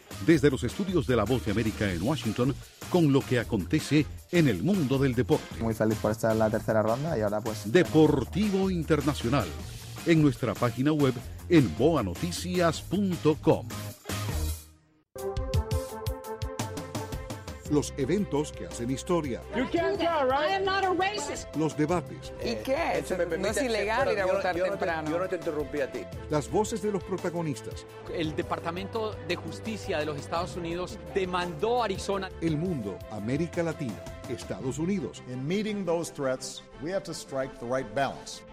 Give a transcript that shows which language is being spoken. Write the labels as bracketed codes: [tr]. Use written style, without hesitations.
[es] Desde los estudios de La Voz de América en Washington, con lo que acontece en el mundo del deporte. Muy feliz por estar en la tercera ronda y ahora pues... Deportivo Internacional, en nuestra página web en boanoticias.com. Los eventos que hacen historia. [en] You can't go, right? I am not a racist. [es] Los debates. ¿Y qué? Eso me permite, no es ilegal ir a votar temprano. Yo no te interrumpí a ti. Las voces de los protagonistas. El Departamento de Justicia de los Estados Unidos demandó a Arizona. El mundo, América Latina, Estados Unidos. [en] In meeting those threats, we have to strike the right balance.